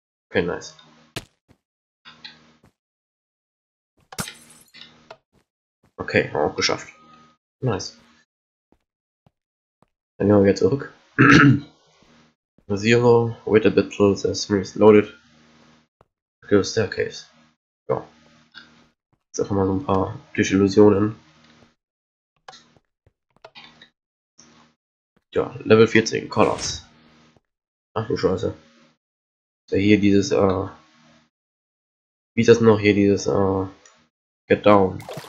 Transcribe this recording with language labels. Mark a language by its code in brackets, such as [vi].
[en] Okay, nice. [de] Okay, haben wir auch geschafft. Nice. Dann gehen wir wieder zurück. [en] Zero, wait a bit till the stream is loaded. Go staircase. Ja. [de] Jetzt einfach mal so ein paar Illusionen. Ja, Level 14, Colors. Ach du Scheiße. Hier dieses, wie ist das noch hier, dieses, Get Down.